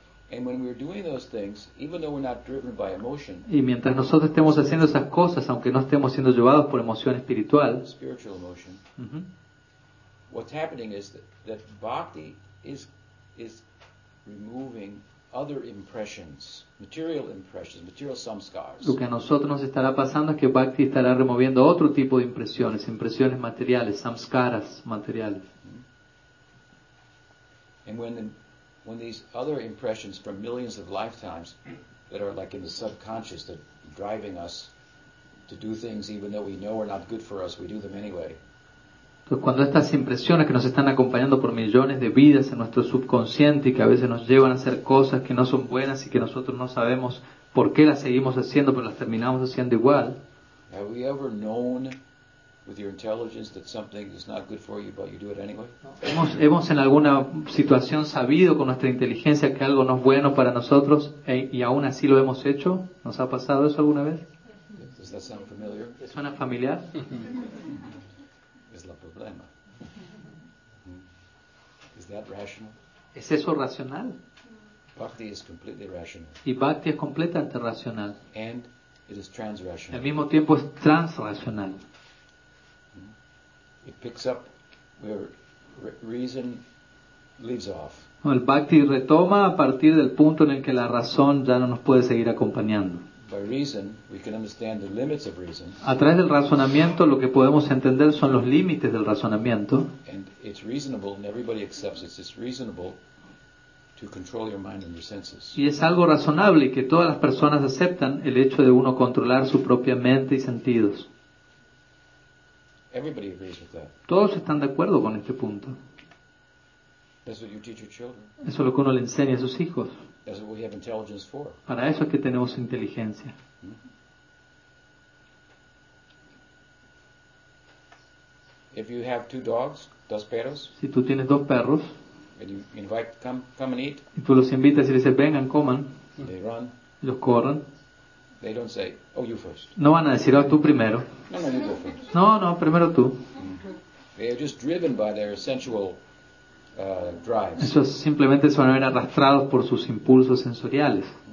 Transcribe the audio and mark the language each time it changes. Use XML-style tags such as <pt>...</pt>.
<en>And when we're doing those things, even though we're not driven by emotion,</en> <es>y mientras nosotros estemos haciendo esas cosas, aunque no estemos siendo llevados por emoción espiritual,</es> <en>spiritual emotion, what's happening is that bhakti is removing other impressions, material samskaras.</en> <es>Lo que a nosotros nos estará pasando es que bhakti estará removiendo otro tipo de impresiones, impresiones materiales, samskaras materiales.</es> <en>And when these other impressions from millions of lifetimes that are like in the subconscious that driving us to do things even though we know are not good for us, we do them anyway.</en> <es>Entonces, cuando estas impresiones que nos están acompañando por millones de vidas en nuestro subconsciente y que a veces nos llevan a hacer cosas que no son buenas y que nosotros no sabemos por qué las seguimos haciendo, pero las terminamos haciendo igual.</es> <en>Have we ever known with your intelligence that something is not good for you, but you do it anyway?</en> <es>¿Hemos en alguna situación sabido con nuestra inteligencia que algo no es bueno para nosotros y aún así lo hemos hecho? ¿Nos ha pasado eso alguna vez?</es> <en>Does that sound familiar?</en> <es>¿Suena familiar? Es el problema.</es> <en>Is that rational?</en> <es>¿Es eso racional?</es> <en>Bhakti is completely rational.</en> <es>Y bhakti es completamente racional.</es> <en>And it is transrational.</en> <es>Al mismo tiempo es transracional.</es> <en>it picks up where reason leaves off.</en> <es>El bhakti retoma a partir del punto en el que la razón ya no nos puede seguir acompañando.</es> <en>By reason, we can understand the limits of reason.</en> <es>A través del razonamiento, lo que podemos entender son los límites del razonamiento.</es> <en>And it's reasonable, and everybody accepts it. It's reasonable to control your mind and your senses.</en> <es>Y es algo razonable y que todas las personas aceptan el hecho de uno controlar su propia mente y sentidos.</es> <en>Everybody agrees with that.</en> <es>Todos están de acuerdo con este punto.</es> <en>That's what you teach your children.</en> <es>Eso es lo que uno le enseña a sus hijos.</es> <en>That's what we have intelligence for.</en> <es>Para eso es que tenemos inteligencia.</es> <en>If you have two dogs,</en> <es>dos perros, si tú tienes dos perros,</es> <en>and you invite, come and eat,</en> <es>y tú los invitas y les dices, vengan, coman,</es> <en>they run,</en> <es>los corren,</es> <en>they don't say, oh, you first.</en> <es>No van a decir, oh, tú primero.</es> <en>No, you go first.</en> <es>No, primero tú.</es> <en>They are just driven by their sensual drives.</en> <es>Eso es simplemente se van a ver arrastrados por sus impulsos sensoriales.</es>